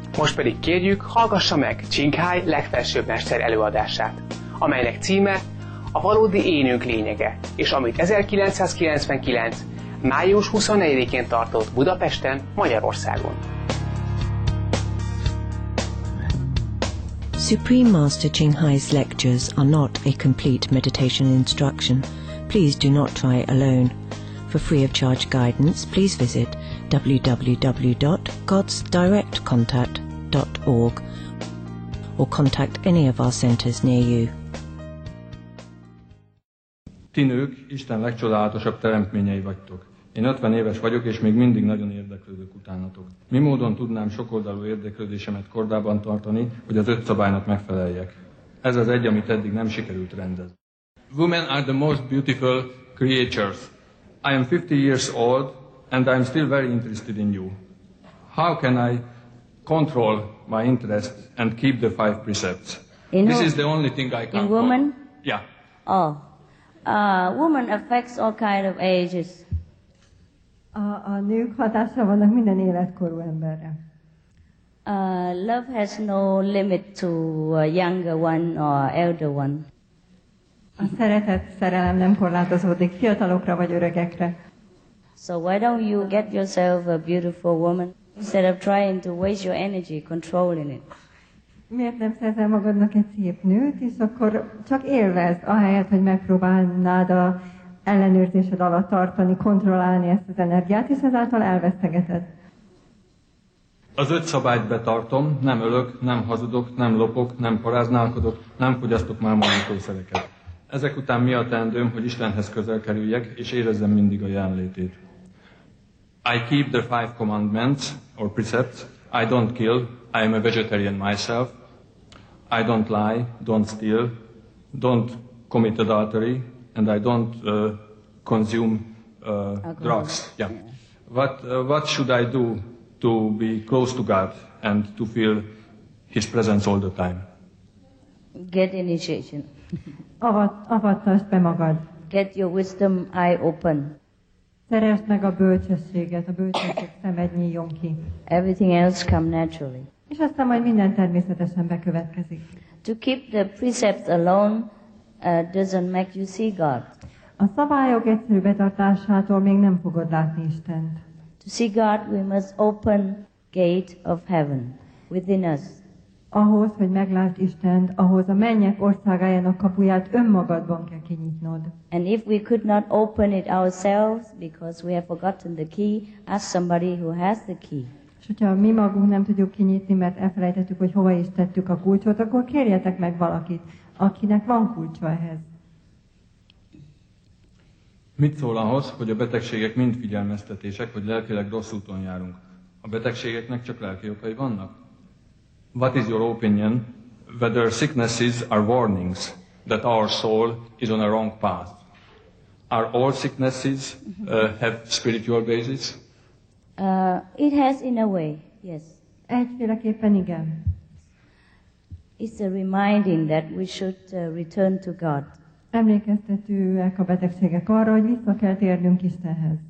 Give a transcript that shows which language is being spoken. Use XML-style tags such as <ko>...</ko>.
<hu>Most pedig kérjük, hallgassa meg Csinghály legfelsőbb mester előadását, amelynek címe A valódi énünk lényege, és amit 1999. május 24-én tartott Budapesten, Magyarországon.</hu> <en>Supreme Master Chinghai's lectures are not a complete meditation instruction. Please do not try alone. For free of charge guidance, please visit www.godsdirectcontact.org or contact any of our centers near you.</en> <hu>Ti nők, Isten legcsodálatosabb teremtményei vagytok. Én 50 éves vagyok, és még mindig nagyon érdeklődök utánatok. Mi módon tudnám sokoldalú érdeklődésemet kordában tartani, hogy az öt szabálynak megfeleljek? Ez az egy, amit eddig nem sikerült rendezni.</hu> <en>Women are the most beautiful creatures. I am 50 years old, and I am still very interested in you. How can I control my interest and keep the five precepts? This is the only thing I can. In woman? Yeah. Oh. Woman affects all kind of ages.</en> <hu>A nők hatással vannak minden életkorú emberre.</hu> <en>Love has no limit to a younger one or elder one.</en> <hu>A szeretet, szerelem nem korlátozódik fiatalokra vagy öregekre.</hu> <en>So why don't you get yourself a beautiful woman instead of trying to waste your energy controlling it?</en> <hu>Miért nem szerzel magadnak egy szép nőt, és akkor csak élvezd, ahelyett, hogy megpróbálnád a ellenőrzésed alatt tartani, kontrollálni ezt az energiát, és ezáltal elvesztegeted. Az öt szabályt betartom, nem ölök, nem hazudok, nem lopok, nem paráználkodok, nem fogyasztok mámonítószereket. Ezek után mi a teendőm, hogy Istenhez közel kerüljek, és érezzem mindig a jelenlétét.</hu> <en>I keep the five commandments, or precepts, I don't kill, I am a vegetarian myself, I don't lie, don't steal, don't commit adultery, and I don't consume drugs. Yeah. What should I do to be close to God and to feel His presence all the time? Get initiation.</en> <hu>Avatást be magad.</hu> <en>Get your wisdom eye open.</en> <hu>Szeresd meg a bölcsességet, a bölcsesség szemed nyíljon ki.</hu> <en>Everything else come naturally.</en> <hu>És aztán majd minden természetesen bekövetkezik.</hu> <en>To keep the precepts alone doesn't make you see God.</en> <hu>A szabályok egyszerű betartásától még nem fogod látni Istent.</hu> <en>To see God we must open gate of heaven within us.</en> <hu>Ahhoz, hogy meglásd Istent, ahhoz a mennyek országájának kapuját önmagadban kell kinyitnod.</hu> <en>And if we could not open it ourselves because we have forgotten the key, ask somebody who has the key.</en> <hu>És hogyha mi magunk nem tudjuk kinyitni, mert elfelejtettük, hogy hova is tettük a kulcsot, akkor kérjetek meg valakit, akinek van kulcsa ehhez. Mit szól ahhoz, hogy a betegségek mind figyelmeztetések, hogy lelkileg rossz úton járunk? A betegségeknek csak lelki okai vannak?</hu> <en>What is your opinion whether sicknesses are warnings that our soul is on a wrong path? Are all sicknesses have spiritual basis? It has in a way, yes.</en> <hu>Egyféleképpen igen.</hu> <en>It's a reminding that we should return to God.</en> <hu>Emlékeztetőek a betegségek arra, hogy vissza kell térnünk Istenhez.</hu>